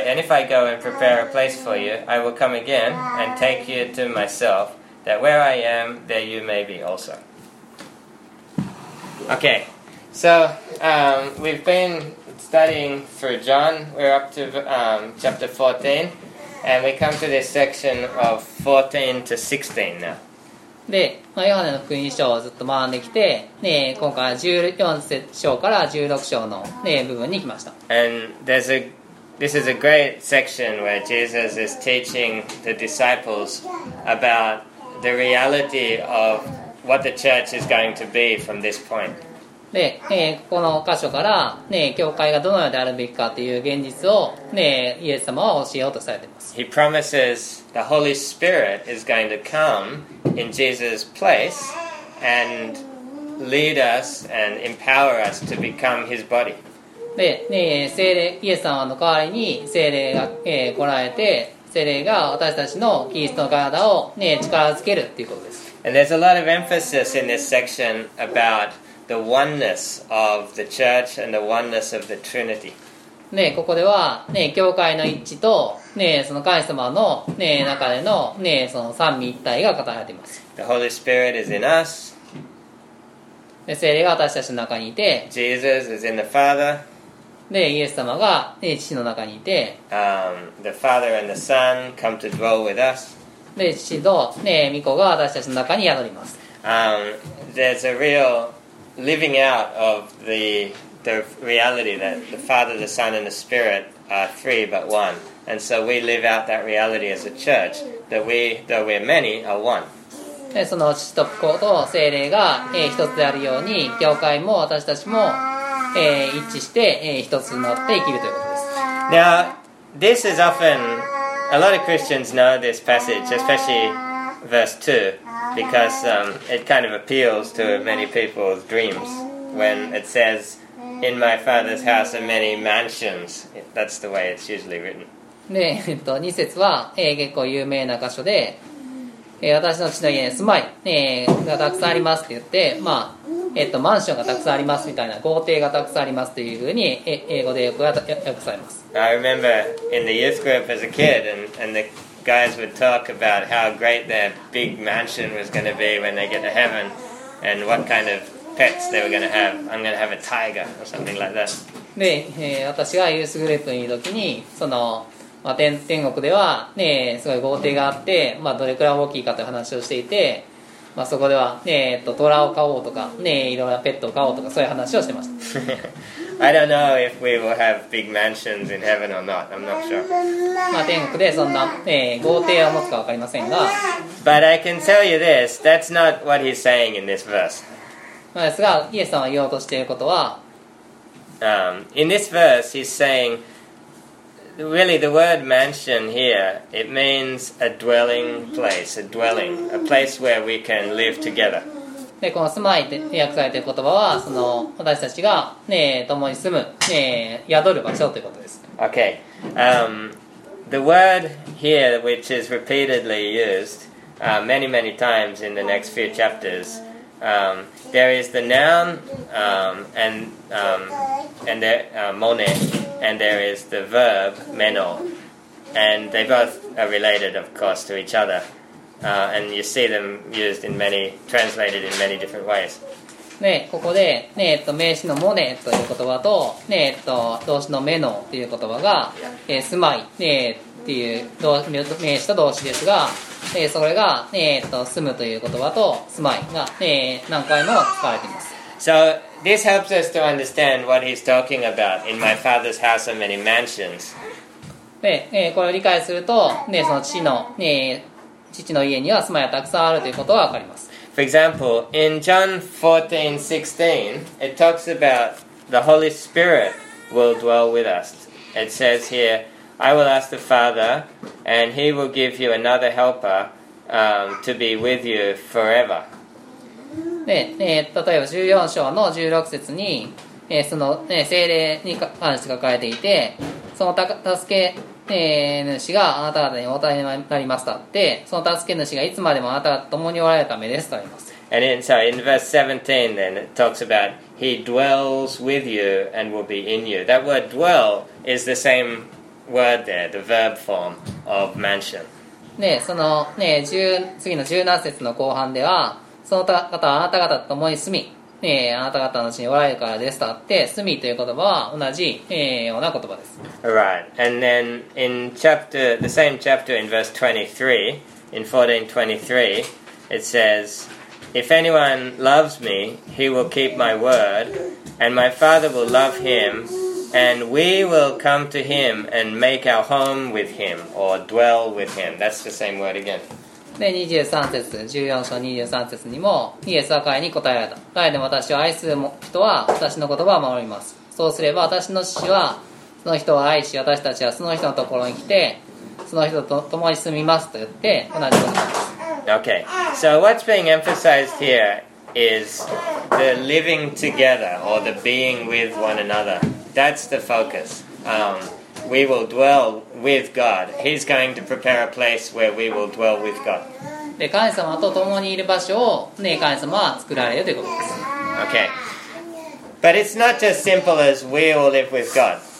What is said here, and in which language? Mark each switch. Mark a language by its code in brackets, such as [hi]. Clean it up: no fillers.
[en] And if I go and prepare a place for you, I will come again and take you to myself, that where I am, there you may be also. Okay, so we've been studying through John. We're up to chapter 14. And we come to this section of 14 to 16 now. [ja] で、まあ、ヨハネの福音書をずっと学んできて、ね、今回14章から16章の、ね、部分に来ました。 [en] And this is a great section where Jesus is teaching the disciples about the reality of what the church is going to be from this point. [ja] で、この箇所から、ね、教会がどのようであるべきかという現実を、ね、イエス様は教えようとされています。 [en] He promises the Holy Spirit is going to come in Jesus' place and lead us and empower us to become his body. [ja] で、ね、聖霊、イエス様の代わりに聖霊が、来られて、聖霊が私たちのキリストの体を、ね、力づけるということです。 [en] And there's a lot of emphasis in this section aboutThe oneness of the church and the oneness of the Trinity. [ja] ね、ここではね、教会の一致とね、その神様のね、中でのね、その三位一体が語られています。 [en] The Holy Spirit is in us. [ja] 聖霊が私たちの中にいて。 [en] Jesus is in the Father. [ja] で、イエス様がね、父の中にいて。 [en] The Father and the Son come to dwell with us. [ja] で、父とね、御子が私たちの中に宿ります。 [en] There's a real living out of the reality that the Father, the Son, and the Spirit are three but one. And so we live out that reality as a church, that we, though we're many, are one. [ja] その父と子と聖霊が、一つであるように、教会も私たちも、一致して、一つになって生きるということです。 [en] Now, this is often, a lot of Christians know this passage, especially verse 2. Because it kind of appeals to many people's dreams when it says, "In my Father's house are many mansions." That's the way it's usually written. [ja] ね、二節は、結構有名な箇所で、私の父の家に住まい、がたくさんありますって言って、まあ、マンションがたくさんありますみたいな、豪邸がたくさんありますというふうに、英語でよく訳されます。 [en] I remember in the youth group as a kid and the,guys would talk about how great their big mansion was going to be when they get to heaven and what kind of pets they were going to have. I'm going to have a tiger or something like that. [ja] で、私がユースグループにいる時に、その、まあ、天国では、ね、すごい豪邸があって、まあ、どれくらい大きいかという話をしていて、まあ、そこでは、ね、トラを飼おうとか、ね、いろんなペットを飼おうとかそういう話をしてました。 [en] I don't know if we will have big mansions in heaven or not. I'm not sure. [ja] まあ天国でそんな、豪邸を持つかわかりませんが。 [en] But I can tell you this. That's not what he's saying in this verse. [ja] まあですが、イエスさんは言おうとしていることは、 [en] In this verse, he's saying, really, the word mansion here, it means a dwelling place, a place where we can live together. [ja] でこの住まいって訳されている言葉はその私たちが、ね、共に住む、ね、宿る場所ということです。 [en] Okay、the word here which is repeatedly used、many many times in the next few chapters、there is the noun、and the、mone and there is the verb meno and they both are related of course to each otherand you see them used in many, translated in many different ways. [ja] ね、ここで、ね、名詞のモネという言葉と、ね、動詞のメノという言葉が、住まい、ね、っていう名詞と動詞ですが、それが、ね、住むという言葉と住まいが、ね、何回も使われています。 [en] So this helps us to understand what he's talking about in my father's house and many mansions. [ja] で、これを理解すると、ね、その父の、ね、父の家には住まいがたくさんあるということがわかります。 [en] For example, in John 14:16, it talks about the Holy Spirit will dwell with us. It says here, I will ask the Father, and he will give you another helper, to be with you forever. [ja] で、例えば14章の16節に、その、聖霊に関して書かれていて、その助け、主があなた方にお答えになりましたってその助け主がいつまでもあなた方と共におられるためですとあります。 [en] And in, so in verse 17 then it talks about he dwells with you and will be in you. That word dwell is the same word there, the verb form of mansion. [ja] ね、その、ね、次の17節の後半ではその方はあなた方と共に住み、ね、あなた方のうちにおられるからですとあって住みという言葉は同じ、ような言葉です。 [en] Right, and then in chapter, the same chapter in verse 23, in 14:23, it says, If anyone loves me, he will keep my word, and my father will love him, and we will come to him and make our home with him, or dwell with him. That's the same word again. [ja] で23節、14章23節にもイエスは彼に答えられた。彼でも私を愛する人は私の言葉を守ります。そうすれば私の父はその人を愛し私たちはその人のところに来てその人と共に住みますと言って同じことです。 [en] Okay, so what's being emphasized here is the living together or the being with one another. That's the focus. We will dwell with God. He's going to prepare a place where we will dwell with God. [ja] で、神様と共にいる場所を、ね、神様は作られるということです。 [en] Okay. But it's not just simple as we will live with God.